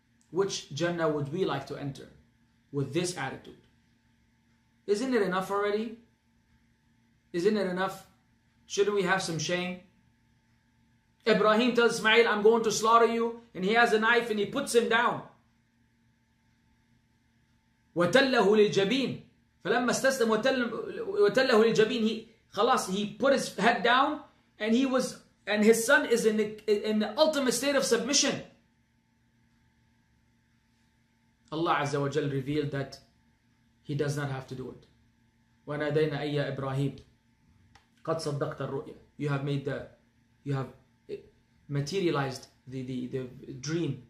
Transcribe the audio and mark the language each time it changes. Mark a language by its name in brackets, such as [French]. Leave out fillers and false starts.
[English] Which Jannah would we like to enter with this attitude? Isn't it enough already? Isn't it enough? Shouldn't we have some shame? Ibrahim tells Ismail, I'm going to slaughter you. And he has a knife and he puts him down. [Arabic] وَتَلَّهُ لِلْجَبِينَ فَلَمَّا اسْتَسْلَمْ وَتَلَّهُ لِلْجَبِينَ خلاص, [English] he put his head down. And he was, and his son is in the ultimate state of submission. Allah Azza wa Jal revealed that he does not have to do it. [Arabic] وَنَادَيْنَا أَيَّا إِبْرَاهِيمُ قَدْ صَدَّقْتَ الرُّؤْيَا. [English] You have materialized the dream.